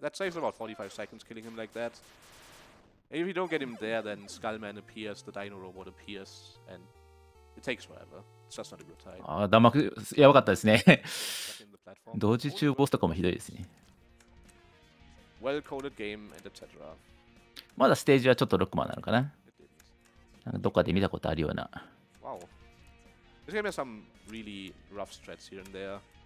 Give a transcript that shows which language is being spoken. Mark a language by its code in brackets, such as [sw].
[en] That saves about 45 seconds killing him like that. If you don't get him there, then Skullman appears, the Dino Robot appears, and it takes forever. It's just not a good time. [ja] ああ、弾幕やばかったですね。同時中ボスとかもひどいですね。 [en] Well coded game and etc. [ja] まだステージはちょっと6万なのかな。なんかどっかで見たことあるような。 [en] Wow. This game has some really rough strats here and there.